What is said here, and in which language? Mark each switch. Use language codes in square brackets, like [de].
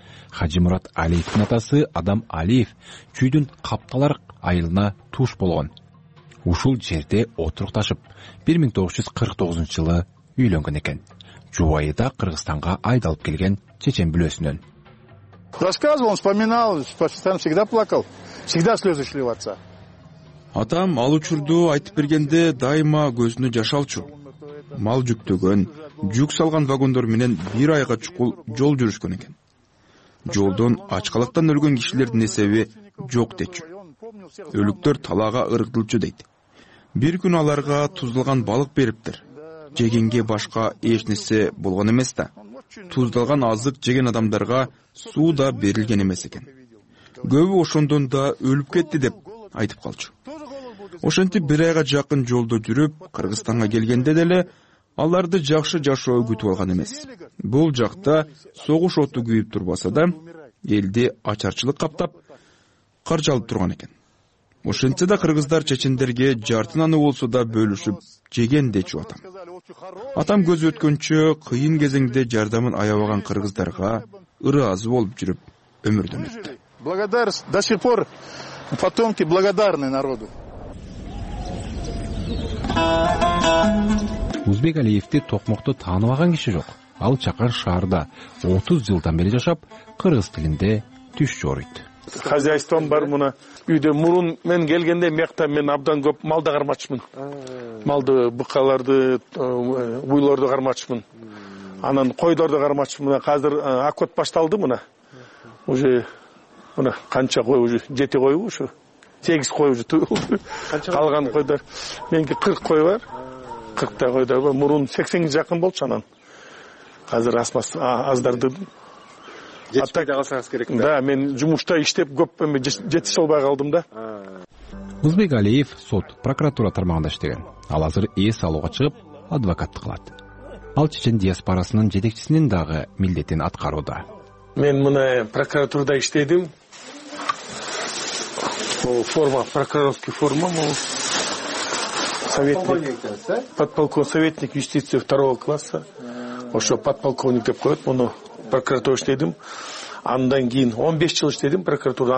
[ky] Хажимурат Алиевдин атасы Адам Алиев Чүйдүн Капталар айылына туш болгон. Ушул жерде отурукташып, 1949 жылы үйлөнгөн экен. Жубайы да Кыргызстанга айдалып келген чечен бүлөсүнөн. [ru] Рассказывал, он вспоминал, постоянно всегда плакал, всегда слезы шли в отца. [ky] Атам ал учурду айтып бергенде дайыма көзүнө жаш алчу. Мал жүктөгөн, жүк салган вагондор менен бир айга чукул жол жүрүшкөн экен. Жолдон ачкалыктан өлгөн кишилердин эсеби жок дечү. Өлүктөр талаага ыргытылчу дейт. Бир күн аларга туздалган балык бериптир. Жегенге башка эч нерсе болгон эмес да. Туздалган азык жеген адамдарга суу да берилген эмес экен. Көбү ошондон да өлүп кетти деп айтып калчу. Ошентип бир айга жакын жолдо жүрүп, Кыргызстанга келгенде деле аларды жакшы жашоо күтүп алган эмес. Бул жакта согуш оту күйүп турбаса да, элди ачарчылык каптап, каржалып турган экен. Ошентсе да кыргыздар чечендерге жартын аны болсо да бөлүшүп жеген дечү атам. Атам көз өткөнчө кыйын кезеңде жардамын аябаган кыргыздарга ыраазы болуп жүрүп өмүрдөн өттү. [ru] Благодарность до сих пор потомки благодарны народу. [ky] Узбек Алиевди токмокто тааныбаган киши жок. Ал Чакан шаарда 30 жылдан бери жашап, кыргыз тилинде түш жоруйт. Хозяйством бар мына. Үйдө мурун мен келгенде мектеп мен абдан көп малды кармачмын. Малды, быкаларды, уйларды кармачмын. Анан койдорду кармачмын. Азыр акот башталды мына. Уже мына канча кой уже 7 кой ушу. 8 кой уже туулду. Калган койдор менки 40 кой бар. 40 та койдор бар. Мурун 80 жакын болчу анан. Азыр аздарды. Жетишпей калсаңыз керек да. Да, мен жумушта иштеп көп жетише албай калдым да. Узбек Алиев сот, прокуратура тармагында иштеген. Ал азыр эс алууга чыгып, адвокаттык кылат. Ал чечен диаспорасынын жетекчисинин дагы милдетин аткарууда. Мен мына прокуратурада иштедим. Бул форма, прокурорский форма, бул советник. [ru] Подполковник советник юстиции 2 класса. [ky] Ошо подполковник деп коёт муну. Прокуратура иштедим. Андан кийин 15 жыл иштедим прокуратурада.